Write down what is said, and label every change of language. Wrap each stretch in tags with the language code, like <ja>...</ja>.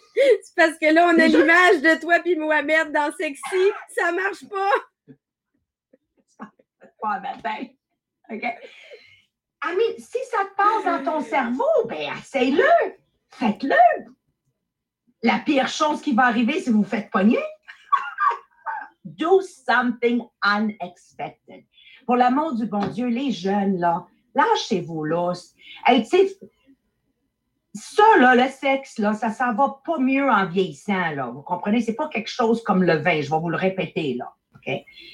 <fr>C'est parce que là, on a l'image de toi puis Mohamed dans sexy. Ça marche pas! Pas matin. OK?</fr> <en>I mean,</en> <fr>si ça te passe dans ton cerveau, ben essaye-le. Faites-le. La pire chose qui va arriver, c'est que vous faites pogner.</fr> <en>Do something unexpected.</en> <fr>Pour l'amour du bon Dieu, les jeunes, là, lâchez-vous, là. Hey, tu sais, ça, là, le sexe, là, ça s'en va pas mieux en vieillissant, là. Vous comprenez? C'est pas quelque chose comme le vin. Je vais vous le répéter, là. OK?</fr>